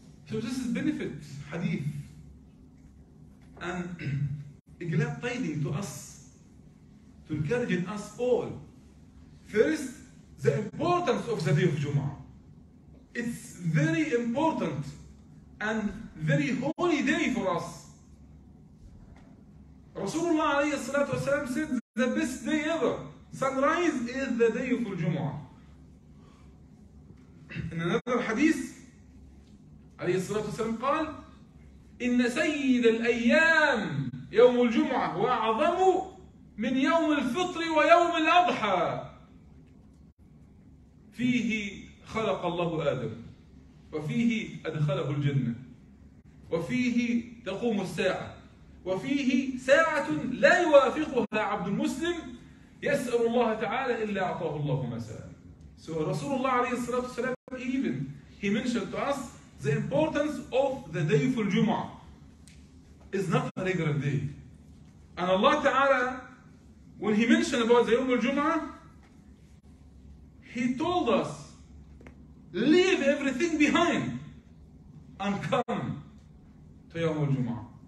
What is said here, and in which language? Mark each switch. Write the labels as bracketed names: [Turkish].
[English] So this is benefit, hadith. And a glad tidings to us, to encourage us all. First, the importance of the day of Jumu'ah. It's very important and very holy day for us. [Arabic] رسول الله عليه الصلاة والسلام [English] said the best day ever. Sunrise is the day of الجمعة. In another hadith, [Arabic] عليه الصلاة والسلام قال إن سيد الأيام يوم الجمعة وأعظم من يوم الفطر ويوم الأضحى. فيه خلق الله آدم، وفيه أدخله الجنة، وفيه تقوم الساعة، وفيه ساعة لا يوافقها عبد المسلم يسأل الله تعالى إلا أعطاه الله مساء. [English] So [Arabic] رسول الله عليه الصلاة والسلام [English] even he mentioned to us the importance of the day of Jum'ah is not a regular day. And Allah Ta'ala, when he mentioned about the Yawm al-Jum'ah, he told us, leave everything behind and come to Yawm al-Jum'ah.